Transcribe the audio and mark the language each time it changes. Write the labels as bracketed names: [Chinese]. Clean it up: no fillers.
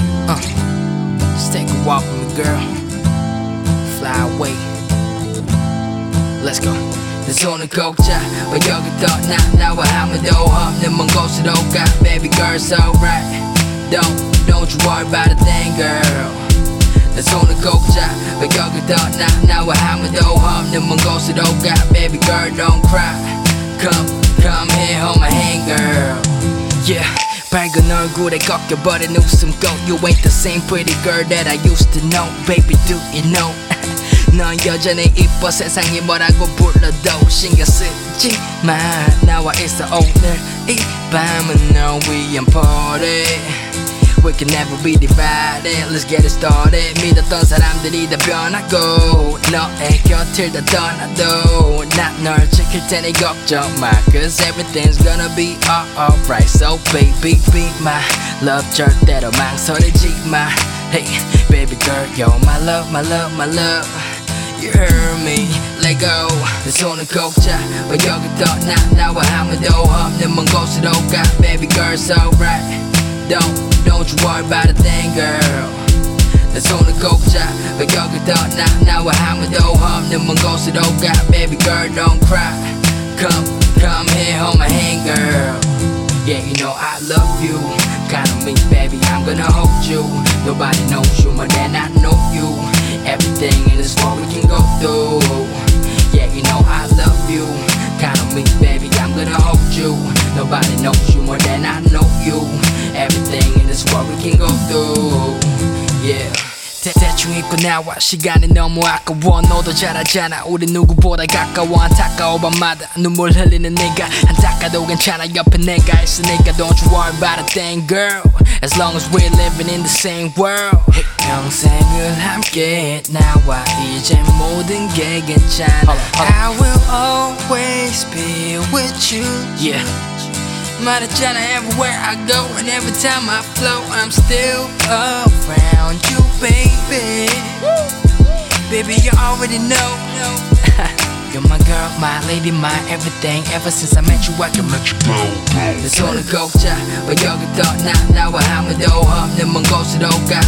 [English] Let's take a walk with me, girl. Fly away. Let's go. [Korean] 내 손을 꼭 잡아 여기 떠나 나와 아무도 없는 먼 곳으로 가. [English] Baby girl, it's alright. Don't you worry about a thing, girl. [Korean] 내 손을 꼭 잡아 여기 떠나 나와 아무도 없는 먼 곳으로 가. [English] Baby girl, don't cry. Come here, hold my hand, girl. Yeah. [Korean] 밝은 얼굴에 꺾여버린 웃음꽃. [English] You ain't the same pretty girl that I used to know. Baby, do you know? [Korean] 넌 여전히 이뻐. 세상이 뭐라고 불러도 신경 쓰지 마. 나와 있어 오늘 이 밤은 널 위한 party. [English] We can never be divided. Let's get it started. [Korean] 믿었던 사람들이 다 변하고 너의 곁을 다 떠나도 난 널 지킬 테니 걱정 마. [English] Cause everything's gonna be alright. So baby be my love. [Korean] 절대로 망설이지 마. [English] Hey baby girl, you're my love, my love, my love. You heard me, let go. [Korean] 내 손을 꼭 잡아 여기 떠나 나와 아무도 없는 먼 곳으로 가. [English] Baby girl, it's alright. Don't you worry about a thing, girl. [Korean] 내 손을 꼭 잡아 여기 떠나 나와 아무도 없는 먼 곳으로 가. [English] Baby girl, don't cry. Come here, hold my hand, girl. Yeah, you know I love you. Kind of means, baby, I'm gonna hold you. Nobody knows you more than I know you. Everything in this world we can go through. Yeah, you know I love you. Kind of means, baby, I'm gonna hold you. Nobody knows you more than I know you. Everything in this world we can go through. Yeah. [Korean] 대충 입고 나와 시간이 너무 아까워. 너도 잘 알잖아 우리 누구보다 가까워. 안타까워 밤마다 눈물 흘리는 네가. 안타까워도 괜찮아 옆에 내가 있으니까. [English] Don't you worry about a thing, girl. As long as we're living in the same world. [Korean] 평생을 함께 나와 이제 모든 게 괜찮아. [English] Hold on. I will always be with you. Yeah. [Korean] 말했잖아 [English] everywhere I go and every time I flow I'm still around you, baby. Baby, you already know. You're my girl, my lady, my everything. Ever since I met you, I can make you go. [Korean] 내 손을 꼭 잡아 여기 떠나 나와 아무도 없는 먼 곳으로 가.